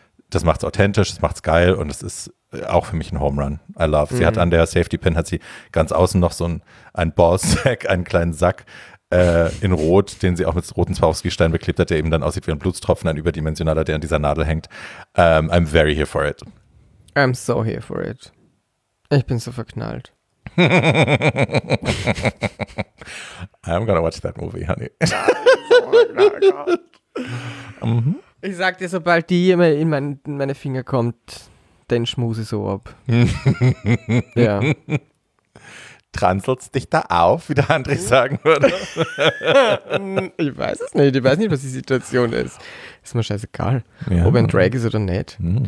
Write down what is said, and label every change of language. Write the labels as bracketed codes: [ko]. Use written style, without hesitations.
[de] Das macht's authentisch, das macht's geil und es ist auch für mich ein Home Run. [en] I love. [de] Sie hat an der Safety Pin hat sie ganz außen noch so ein Ballsack, einen kleinen Sack in Rot, den sie auch mit roten Swarovski-Steinen beklebt hat, der eben dann aussieht wie ein Blutstropfen, ein überdimensionaler, der an dieser Nadel hängt. [en] I'm very here for it. I'm so here for it. [de] Ich bin so verknallt. [en] I'm gonna watch that movie, honey. [de] Ich sag dir, sobald die immer in meine Finger kommt, dann schmuse ich so ab. Ja. Transelst dich da auf, wie der André sagen würde? Ich weiß es nicht. Ich weiß nicht, was die Situation ist. Ist mir scheißegal, ja, ob ein Drag ist oder nicht.